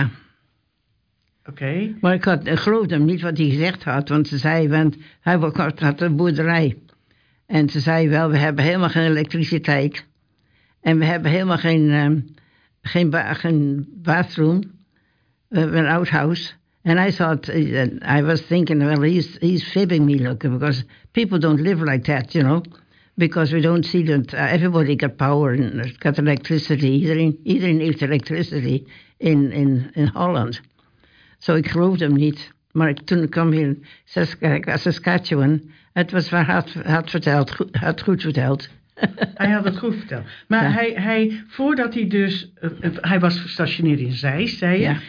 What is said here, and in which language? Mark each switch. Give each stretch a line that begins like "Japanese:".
Dutch: Oké.
English: Okay.
Dutch: Maar ik geloofde hem niet wat hij gezegd had. Want ze zei, want hij had een boerderij. En ze zei wel, we hebben helemaal geen elektriciteit. En we hebben helemaal geen bathroom. We hebben een oud huis.
English: And I thought, I was thinking, well, he's fibbing me, look, because people don't live like that, you know, because we don't see that everybody got power and got electricity.
Dutch: Iedereen heeft electricity in Holland. So ik geloofde hem niet. Maar toen ik kwam hier in Saskatchewan, het was waar hij had goed verteld. Hij had het goed verteld. Maar ja. hij, voordat hij dus... Hij was gestationeerd in Zeist, zei je. Ja.